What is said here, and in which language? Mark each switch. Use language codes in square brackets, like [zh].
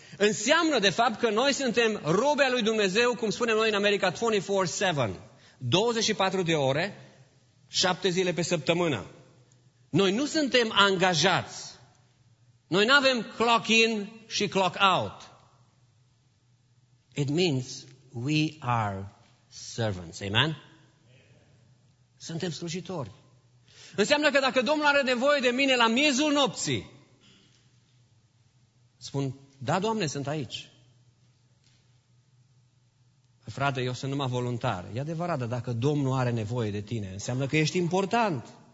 [ro] Înseamnă, de fapt, că noi suntem robe a lui Dumnezeu, cum spunem noi în America, 24/7. 24 de ore, 7 zile pe săptămână. Noi nu suntem angajați. Noi nu avem clock in și clock out. [en] It means we are servants. [ro] Amen? Suntem slujitori. Înseamnă că dacă Domnul are nevoie de mine la miezul nopții, spun, da, Doamne, sunt aici. Frate, eu sunt numai voluntar. E adevărat, dar dacă Domnul are nevoie de tine, înseamnă că ești important.